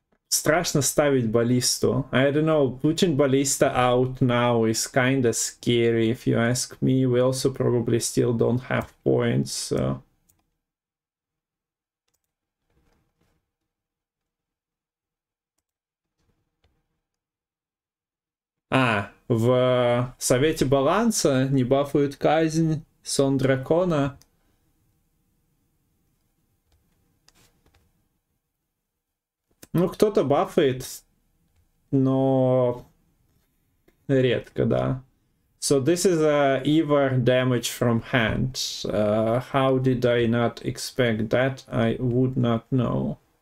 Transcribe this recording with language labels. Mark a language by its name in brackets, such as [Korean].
[Russian] Страшно ставить баллисту. [English] I don't know, putting баллиста out now is kind of scary if you ask me. We also probably still don't have points, so. [Russian] А, в совете баланса не бафуют казнь сон дракона. Ну, кто-то бафает, но редко, да. [English] So this is a either damage from hand. How did I not expect that? I would not know.